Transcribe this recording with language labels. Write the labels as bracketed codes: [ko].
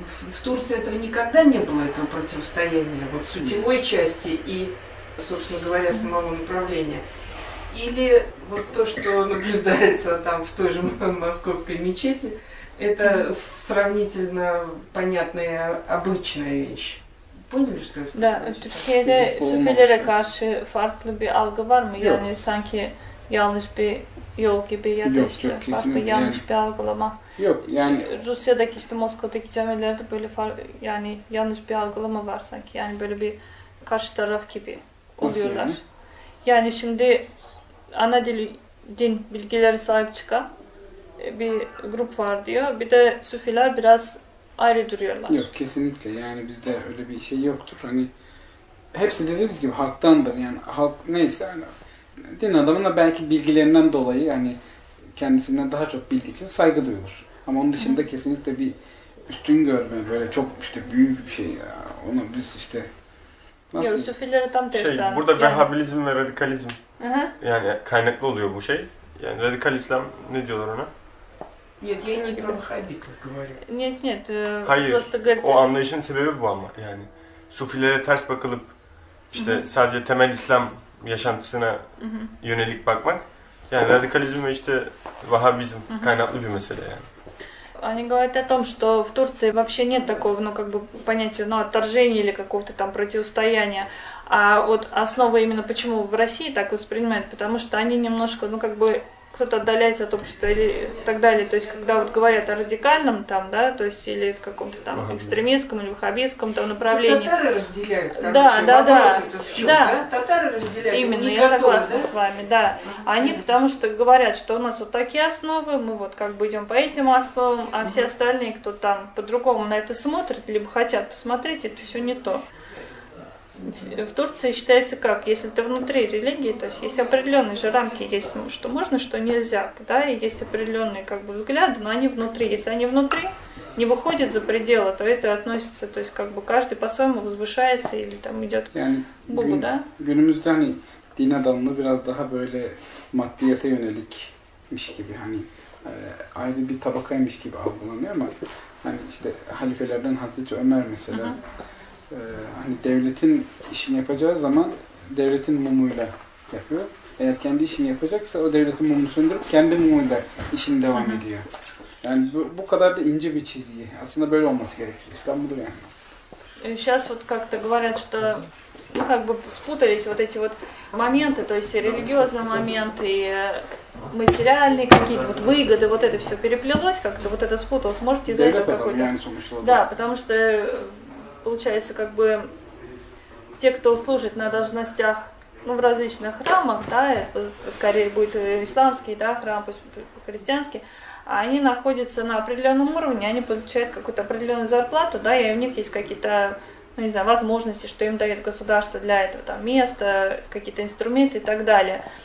[ru] В Турции этого никогда не было, этого противостояния, вот сутевой части и, собственно говоря, самого направления. Или вот то, что наблюдается там в той же московской мечети, это сравнительно понятная, обычная вещь. [tr] Да, Türkiye'de Sufilere karşı farklı bir algı var mı? Yok. Yani sanki yanlış bir yol gibi ya da işte yok, farklı yanlış yani. Bir algılama. Yok yani. Rusya'daki işte Moskova'daki camilerde böyle yani yanlış bir algılama var sanki. Yani böyle bir karşı taraf gibi oluyorlar. Yani şimdi ana dili din bilgileri sahip çıkan bir grup var diyor. Bir de Sufiler biraz ayrı duruyorlar. Yok kesinlikle yani bizde öyle bir şey yoktur. Hani hepsi dediğimiz gibi halktandır yani halk neyse hani din adamına belki bilgilerinden dolayı hani kendisinden daha çok bildiği için saygı duyulur. Ama onun dışında kesinlikle bir üstün görme böyle çok işte büyük bir şey ya ona biz işte nasıl? Yok Sufilere tam tersi. Şey yani. Burada vehhabilizm ve radikalizm yani kaynaklı oluyor bu şey. Yani radikal İslam ne diyorlar ona? [ru] Нет, я не про вахабитов говорю. Нет, нет, Hayır, просто говорит... [tr] Hayır, o anlayışın sebebi bu ama yani. Sufilere ters bakılıp, işte sadece temel İslam yaşantısına yönelik bakmak, yani radikalizm ve işte vahabizm kaynaklı bir mesele yani. [ru] Они говорят о том, что в Турции вообще нет такого, ну, как бы, понятия, ну, отторжения или какого-то там противостояния. А вот основа именно почему в России так воспринимают, потому что они немножко, ну, как бы... кто-то отдаляется от общества или так далее. То есть, когда вот говорят о радикальном там, да, то есть, или каком-то там экстремистском или ваххабистском там направлении. То татары разделяют. Там, да, общем, да, да. В чем, да. Татары разделяют. Именно, не я готовы, согласна да? с вами, да. Они потому что говорят, что у нас вот такие основы, мы вот как бы идем по этим основам, а все остальные, кто там по-другому на это смотрит, либо хотят посмотреть, это все не то. В Турции считается как, если ты внутри религии, то есть есть определенные же рамки, есть что можно, что нельзя, да, и есть определенные как бы взгляды, но они внутри. Если они внутри, не выходят за пределы, то это относится, то есть как бы каждый по-своему возвышается или там идет [tr] yani, [ru] к Богу, да? [tr] Günümüzde hani din adamını biraz daha böyle maddiyete yönelikmiş gibi hani ayrı bir tabakaymış gibi algılanıyor ama hani işte halifelerden Hazreti Ömer mesela. Hani devletin işini yapacağı zaman devletin mumuyla yapıyor. Eğer kendi işini yapacaksa o devletin mumunu söndürüp kendi mumuyla işini devam ediyor. Yani bu kadar da ince bir çizgi. Aslında böyle olması gerekiyor. İstanbul'da yani. [ru] Сейчас вот как-то говорят, что ну, как бы спутались вот эти вот моменты, то есть религиозные моменты и материальные какие-то, вот выгоды, вот это все переплелось, как-то вот это спуталось, можете из-за этого какой-то... Да, потому что получается, как бы, те, кто служит на должностях, ну, в различных храмах, да, скорее будет исламский, да, храм, пусть христианский, а они находятся на определенном уровне, они получают какую-то определенную зарплату, да, и у них есть какие-то, ну, не знаю, возможности, что им дает государство для этого, там, место, какие-то инструменты и так далее.